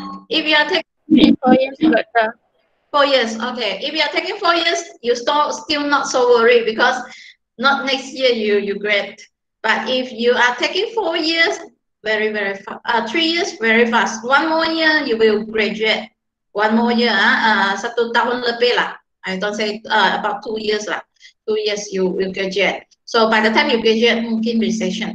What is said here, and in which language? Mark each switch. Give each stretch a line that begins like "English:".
English: If you are taking 4 years, better. 4 years, okay. If you are taking 4 years, you still not so worried because not next year you grad. But if you are taking 4 years, very, very fast. 3 years, very fast. 1 more year, you will graduate. 1 more year,
Malay: satu tahun lebih lah.
English: I don't say about 2 years lah. 2 years, you will graduate. So by the time you graduate,
Malay: mungkin
English: recession.